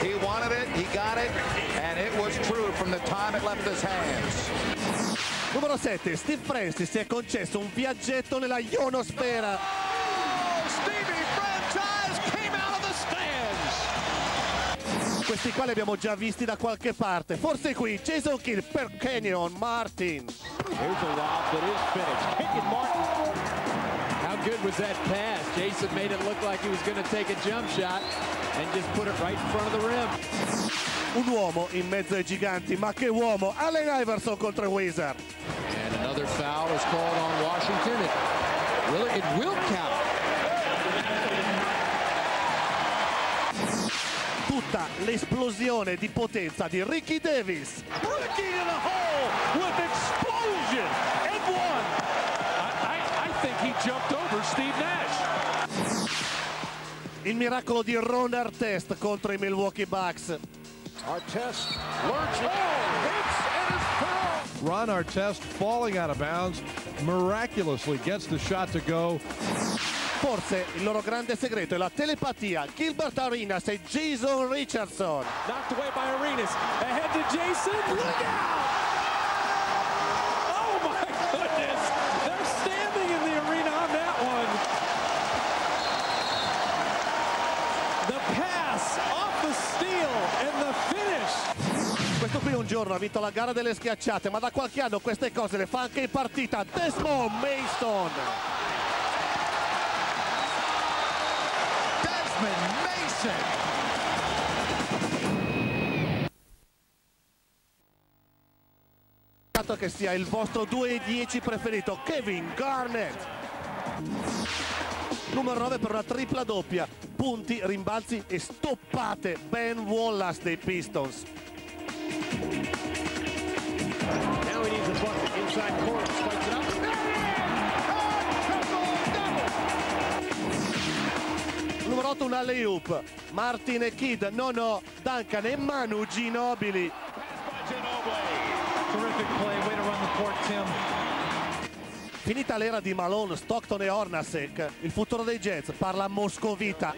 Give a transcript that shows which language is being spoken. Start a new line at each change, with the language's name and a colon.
English: He wanted it, he got it, and it was true from the time it left his hands.
Italian: Numero 7, Steve Francis si è concesso un viaggetto nella ionosfera. Questi quali abbiamo già visti da qualche parte. Forse qui, Jason Kidd per Kenyon Martin.
English: Here's a lob that is finished. Kenyon Martin. How good was that pass? Jason made it look like he was going to take a jump shot and just put it right in front of the rim.
Italian: Un uomo in mezzo ai giganti, ma che uomo! Allen Iverson contro Wizard.
English: And another foul is called on Washington. It will count.
Italian: L'esplosione di potenza di Ricky Davis.
English: Ricky to the hole with explosion and one. I think he jumped over Steve Nash.
Italian: Il miracolo di Ron Artest contro i Milwaukee Bucks.
English: Artest lurching. Hits and it's pearl. Ron Artest falling out of bounds miraculously gets the shot to go.
Italian: Forse il loro grande segreto è la telepatia. Gilbert Arenas e Jason Richardson.
English: Knocked away by Arenas. Ahead to Jason. Look out! Oh my goodness! They're standing in the arena on that one. The pass off the steal and the finish.
Italian: Questo qui un giorno ha vinto la gara delle schiacciate, ma da qualche anno queste cose le fa anche in partita. Desmond Mason. Dato che sia il vostro 2-10 preferito, Kevin Garnett. Numero 9 per una tripla doppia, punti, rimbalzi e stoppate, Ben Wallace dei Pistons.
English: Now he needs a bucket inside court, spikes it up.
Italian: Numero foto un alley-oop. Martin e Kidd, no no, Duncan e Manu Ginobili.
English: Terrific play, way to run the court, Tim.
Italian: Finita l'era di Malone, Stockton e Hornacek, il futuro dei Jets parla moscovita.